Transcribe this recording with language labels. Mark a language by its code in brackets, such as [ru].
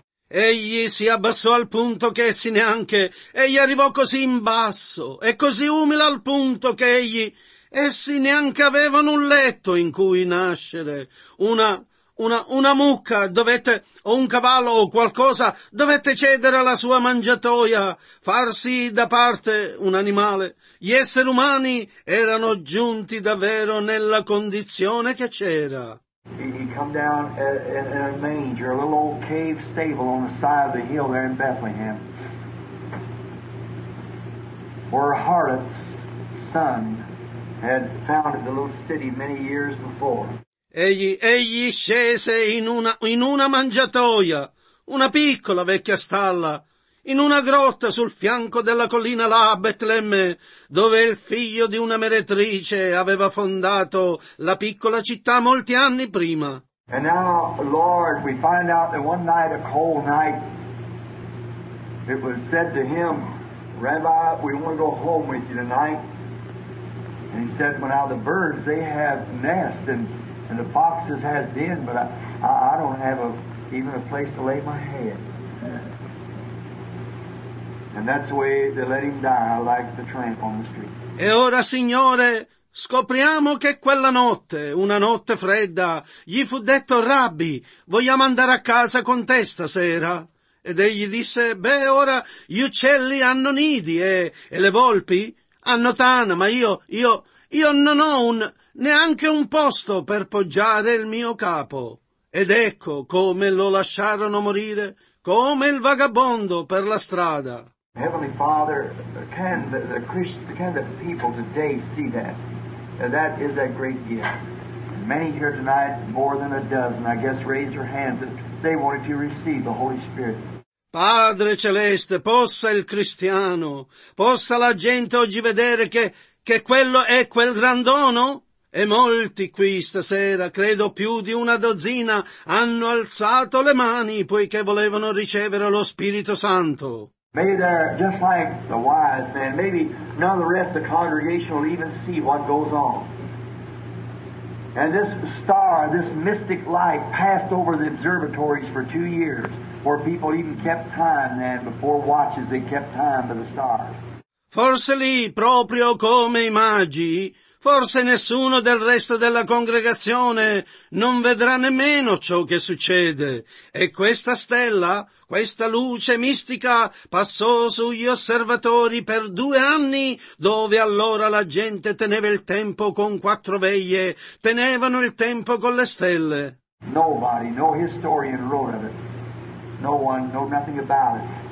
[it] Egli si abbassò al punto che essi neanche, egli arrivò così in basso e così umile al punto che egli, essi neanche avevano un letto in cui nascere, una mucca dovette, o un cavallo o qualcosa, dovette cedere alla sua mangiatoia, farsi da parte un animale. Gli esseri umani erano giunti davvero nella condizione che c'era. [en] He come down in a manger, a little old cave stable on the side of the hill there in Bethlehem, where a harlot's son had founded the little city many years before. [it] Egli scese in una mangiatoia, una piccola vecchia stalla, in una grotta sul fianco della collina là a Betlemme, dove il figlio di una meretrice aveva fondato la piccola città molti anni prima. [en] And now, Lord, we find out that one night, a cold night, it was said to him, Rabbi, we want to go home with you tonight. And he said, well, now the birds, they have nests and the foxes had been, but I don't have even a place to lay my head. And that's the way they let him die, like the tramp on the street. [it] E ora, Signore, scopriamo che quella notte, una notte fredda, gli fu detto, Rabbi, vogliamo andare a casa con te stasera? Ed egli disse, beh, ora gli uccelli hanno nidi e le volpi hanno tana, ma io non ho un... neanche un posto per poggiare il mio capo. Ed ecco come lo lasciarono morire, come il vagabondo per la strada. [en] Heavenly Father, can the people today see that? That is a great gift. Many here tonight, more than a dozen, I guess, raise your hands that they wanted to receive the Holy Spirit. [it] Padre Celeste, possa il cristiano, possa la gente oggi vedere che quello è quel gran dono? E molti qui stasera, credo più di una dozzina, hanno alzato le mani poiché volevano ricevere lo Spirito Santo. [en] May there, just like the wise man, maybe none of the rest of the congregation will even see what goes on. And this star, this mystic light passed over the observatories for 2 years. before people even kept time then, before watches they kept time to the stars. [it] Forse lì, proprio come i magi, forse nessuno del resto della congregazione non vedrà nemmeno ciò che succede. E questa stella, questa luce mistica, passò sugli osservatori per 2 anni, dove allora la gente teneva il tempo con 4 veglie, tenevano il tempo con le stelle. [en] Nobody, no historian wrote of it. No one, no nothing about it.